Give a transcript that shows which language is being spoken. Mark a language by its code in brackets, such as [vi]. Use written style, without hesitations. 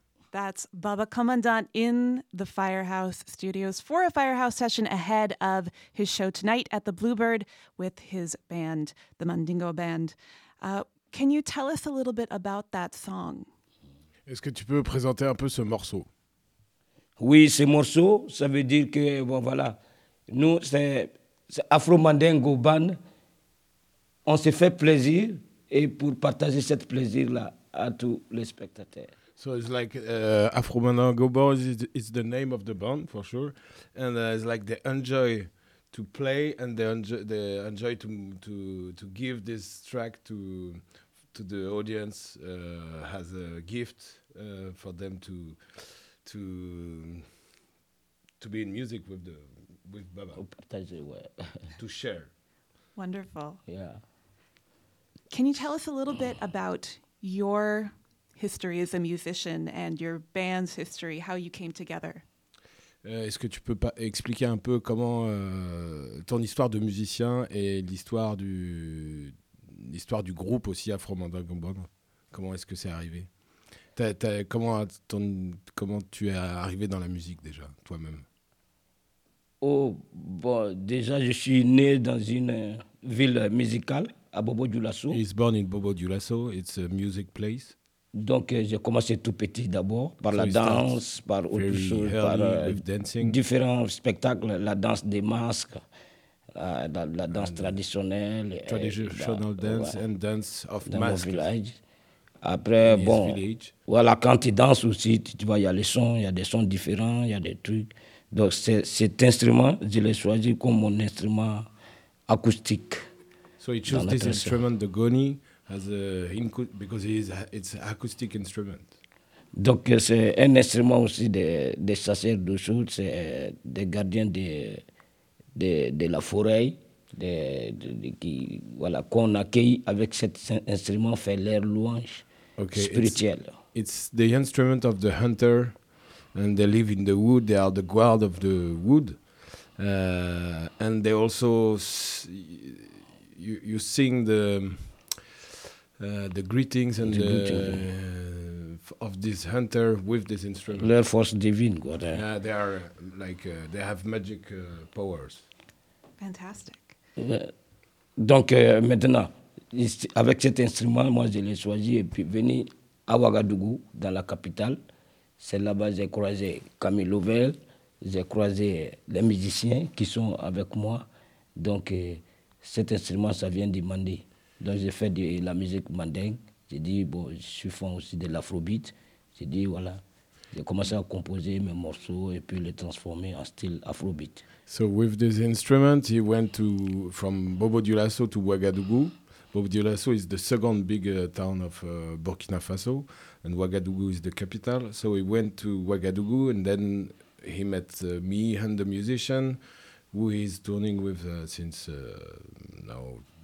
[en] That's Baba Commandant in the Firehouse Studios for a Firehouse session ahead of his show tonight at the Bluebird with his band, the Mandingo Band. Can you tell us a little bit about that song? [fr] Est-ce que tu peux présenter un peu ce morceau? Oui, ce morceau, ça veut dire que, bon, voilà, nous, c'est Afro Mandingo Band. On s'est fait plaisir et pour partager ce plaisir-là à tous les spectateurs. [en] So it's like Afro Mandingo Band is the name of the band for sure, and it's like they enjoy to play and they enjoy to give this track to the audience as a gift for them to be in music with Baba to share. Wonderful. Yeah. Can you tell us a little bit about your history as a musician and your band's history, how you came together. [fr] Est-ce que tu peux pas expliquer un peu comment ton histoire de musicien et l'histoire du groupe aussi Afro Mandingo Band, comment est-ce que c'est arrivé? Comment tu es arrivé dans la musique déjà, toi-même? Oh, bon, déjà je suis né dans une ville musicale à Bobo Dioulasso. [en] He's born in Bobo Dioulasso, it's a music place. [fr] Donc, j'ai commencé tout petit d'abord par la danse, par autre chose, par différents spectacles, la danse des masques, la danse traditionnelle. [en] Traditional dance and dance of masks. [fr] Dans mon village. Après, bon, voilà, quand tu danses aussi, tu vois, il y a les sons, il y a des sons différents, il y a des trucs. Donc cet instrument, je l'ai choisi comme mon instrument acoustique. [en] So he chose this instrument, the goni, as a because it's an acoustic instrument. [fr] Donc c'est un instrument aussi des chasseurs de choses, c'est des gardiens de la forêt, qui qu'on accueille avec cet instrument, fait leur louange okay, spirituelle. [en] It's the instrument of the hunter, and they live in the wood. They are the guard of the wood, and they also you sing the greetings and of this hunter with this instrument. [fr] Leur force divine, quoi. [en] Yeah, they are like they have magic powers. Fantastic. [fr] Donc maintenant, avec cet instrument, moi je l'ai choisi et puis venu à Ouagadougou, dans la capitale. C'est là-bas que j'ai croisé Camille Lovell, j'ai croisé les musiciens qui sont avec moi. Donc cet instrument, ça vient du Mandé. Donc j'ai fait de la musique mandingue. J'ai dit, bon, je suis fan aussi de l'afrobeat. J'ai dit, voilà, j'ai commencé à composer mes morceaux et puis les transformer en style afrobeat. [en] So with this instrument, he went from Bobo Dioulasso to Ouagadougou. Bobo Dioulasso is the second big town of Burkina Faso, and Ouagadougou is the capital. So he went to Ouagadougou, and then he met me and the musician, who he's touring with since now.